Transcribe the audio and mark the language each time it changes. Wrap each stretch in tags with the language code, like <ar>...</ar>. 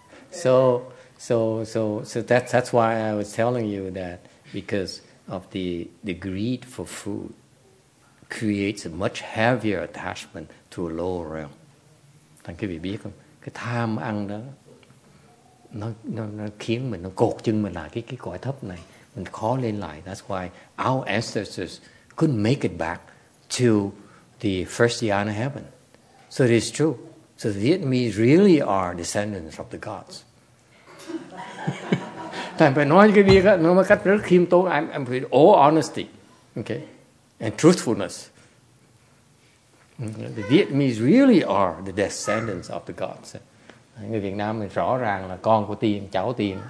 <en>So that's why I was telling you that because of the greed for food creates a much heavier attachment to a lower realm.</en> <vi>Thành quý vị biết không? Cái tham ăn đó nó khiến mình, nó cột chân mình lại cái cõi thấp này. Mình khó lên lại.</vi> <en>That's why our ancestors couldn't make it back to the first Dhyana heaven. So it is true. So the Vietnamese really are descendants of the gods.</en> <vi>Thành phải nói cái việc nó một cách rất khiêm tốn.</vi> <en>I'm with all honesty. Okay? And truthfulness. The Vietnamese really are the descendants of the gods.</en> <vi>Người Việt Nam mình rõ ràng là con của tiên, cháu tiên.</vi>